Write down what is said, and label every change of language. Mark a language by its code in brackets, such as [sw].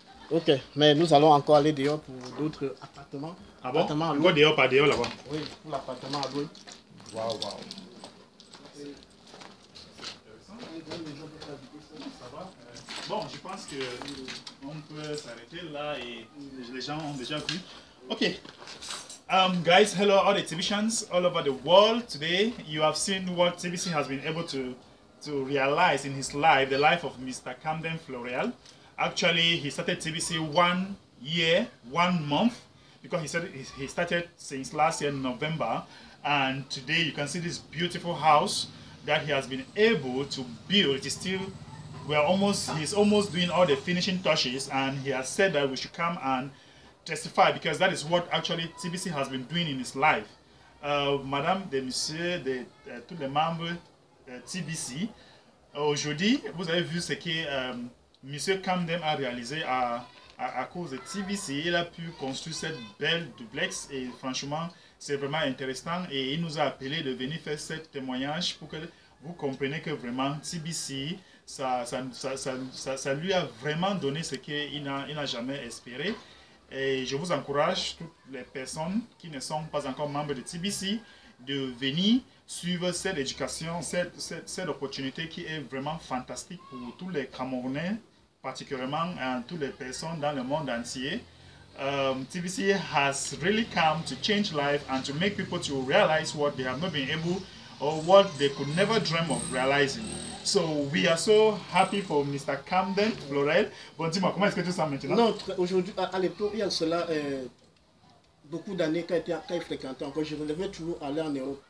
[fr] Ok, mais nous allons encore aller dehors pour d'autres appartements. Ah bon? Appartements à louer. Dehors, pas dehors là-bas? Oui, pour l'appartement à louer. Bon, je pense que on peut s'arrêter là et les gens ont déjà vu. [en] Ok, guys, hello all the TBCians all over the world. Today, you have seen what TBC has been able to realize in his life, the life of Mr. Camden Florel. Actually, he started TBC 1 year, 1 month, because he started since last year in November. And today you can see this beautiful house that he has been able to build. It is still, he's almost doing all the finishing touches, and he has said that we should come and testify because that is what actually TBC has been doing in his life. [fr] Madame, de monsieur, de tous les membres de TBC, aujourd'hui, vous avez vu ce que Monsieur Camden a réalisé à cause de TBC. Il a pu construire cette belle duplex et franchement, c'est vraiment intéressant et il nous a appelé de venir faire ce témoignage pour que vous compreniez que vraiment TBC, ça lui a vraiment donné ce qu'il n'a jamais espéré. Et je vous encourage, toutes les personnes qui ne sont pas encore membres de TBC, de venir suivre cette éducation, cette opportunité qui est vraiment fantastique pour tous les Camerounais, particulièrement toutes les personnes dans le monde entier. [en] TVC has really come to change life and to make people to realize what they have not been able or what they could never dream of realizing. So we are so happy for Mr. Camden Florel. [fr] Bon, dis-moi, comment est-ce que tu sens maintenant? Non, aujourd'hui, à l'époque, il y a cela, beaucoup d'années quand il fréquentait encore, je voulais toujours aller en Europe.